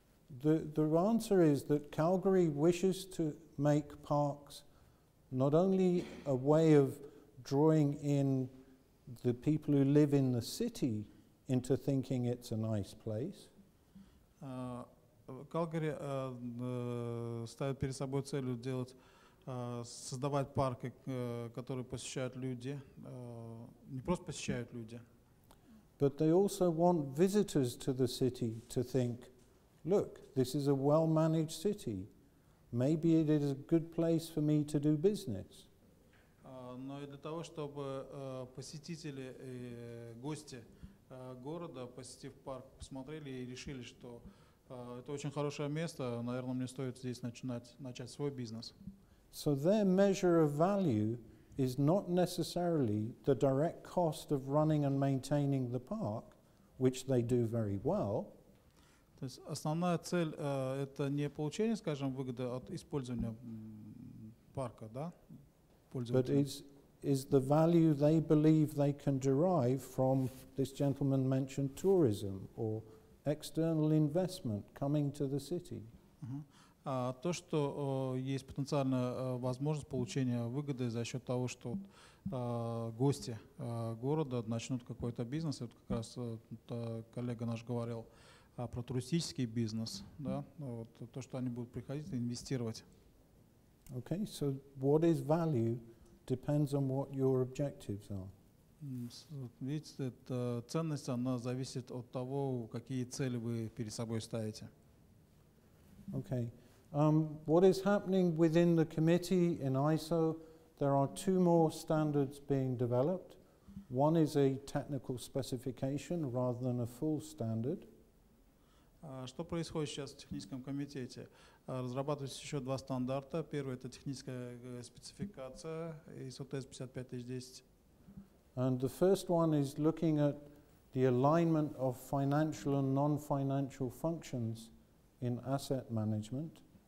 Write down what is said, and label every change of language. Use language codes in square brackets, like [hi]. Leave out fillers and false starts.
[en] The answer is that Calgary wishes to make parks not only a way of drawing in the people who live in the city into thinking it's a nice place. [ru] Калгари ставит перед собой целью создавать парки, которые посещают люди, не просто посещают люди. [en] But they also want visitors to the city to think, look, this is a well-managed city. Maybe it is a good place for me to do business. [ru] Но и для того, чтобы посетители, гости города, посетив парк, посмотрели и решили, что это очень хорошее место, наверное, мне стоит здесь начать свой бизнес. [en] So their measure of value is not necessarily the direct cost of running and maintaining the park, which they do very well. [ru] То есть основная цель это не получение, скажем, выгоды от использования парка, да? [en] But is the value they believe they can derive from this gentleman mentioned tourism or external investment coming to the city. [ru] То, что есть потенциальная возможность получения выгоды за счет того, что гости города начнут какой-то бизнес, вот как раз коллега наш говорил про туристический бизнес, да, вот то, что они будут приходить и инвестировать. [en] Okay, so what is value depends on what your objectives are. [ru] Видите, ценность, она зависит от того, какие цели вы перед собой ставите. [en] Okay. What is happening within the committee in ISO? There are two more standards being developed. One is a technical specification rather than a full standard. [ru] Что происходит сейчас в техническом комитете? Разрабатываются еще два стандарта. Первый – это техническая спецификация ISO55001. [en] And the first one is looking at the alignment of financial and non-financial functions in asset management.